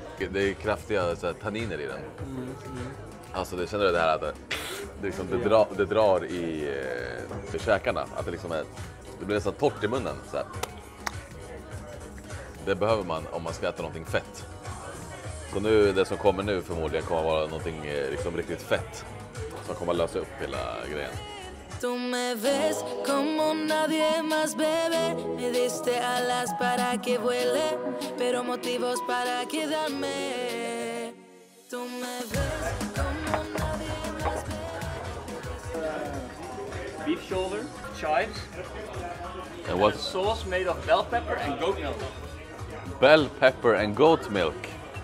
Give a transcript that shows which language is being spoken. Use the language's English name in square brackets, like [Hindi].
[Swedish] Det är kraftiga så här, tanniner i den. Alltså det känner du det här att det drar i käkarna. Att det liksom är, det blir nästan torrt i munnen. Så här. Det behöver man om man ska äta någonting fett. Så nu det som kommer nu förmodligen kommer vara någonting liksom riktigt fett. Som kommer lösa upp hela grejen. [Spanish] Tú me ves como nadie más bebe. Me diste alas para que vuele, pero motivos para quedarme. Tú me ves como nadie más bebe. [English] Beef shoulder, chives. And what? And a sauce made of bell pepper and goat milk. Bell pepper and goat milk.